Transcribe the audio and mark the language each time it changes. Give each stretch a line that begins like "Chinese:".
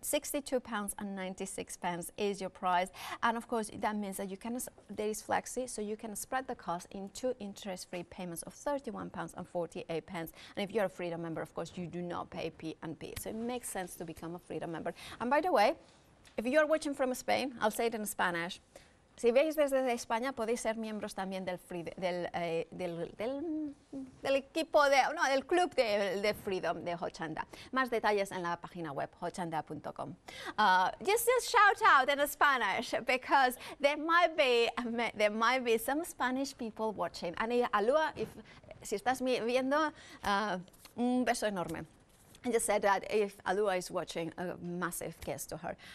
English: £62.96 is your price. And, of course, that means that you can, there is flexi, so you can spread the cost in two interest-free payments of £31.48, and if you're a Freedom member, of course, you do not pay P&P. So it makes sense to become a Freedom member. And by the way, if you are watching from Spain, I'll say it in Spanish.
Spanish: Si veis desde España, podéis ser miembros también del equipo de, no, del club de Freedom de Hochanda. Más detalles en la página web, hochanda.com.
English: Just shout out in Spanish, because there might be some Spanish people watching.
Spanish: And Alua, si estás viendo, un beso enorme.
English: I just said that if Alua is watching, a massive kiss to her.